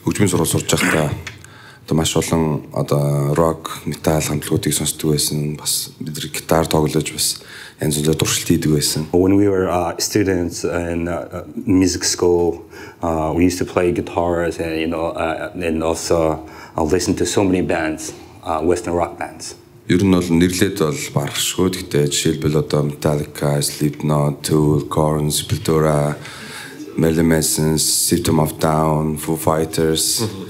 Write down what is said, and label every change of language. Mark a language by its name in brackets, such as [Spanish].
[Mongolian] Одоо маш олон одоо рок, метал хамтлагуудыг сонсдог байсан. Бас бид нэг гитар тоглож бас янз бүрийн туршилт хийдэг байсан. [English] When we were students in music school, we used to play guitars and you know and also listen to so many bands, western rock bands. [Mongolian] Ер нь бол нэрлээд бол барахшгүй. Гэтэл жишээлбэл одоо Metallica, Slipknot, Tool, Korn, Sepultura, Marilyn Manson, System of a Down, Foo Fighters.